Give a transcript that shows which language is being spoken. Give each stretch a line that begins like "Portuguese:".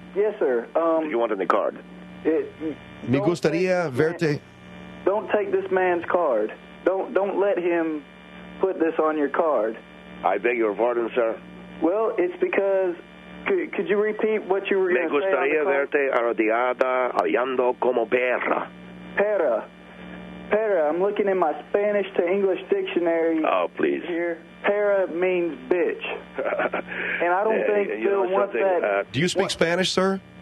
English: Yes, sir. You want any card?
Spanish: Me gustaría verte.
English: Don't take this man's card. Don't let him put this on your card. I beg your pardon, sir. Well, it's because... Could you repeat what you were going to say?
Spanish: Me gustaría verte arrodillada hablando como perra. Perra. Perra.
English: I'm looking in my Spanish to English dictionary. Oh, please. Here. Perra means bitch. And I don't think Phil wants something. That. Do you speak Spanish, sir?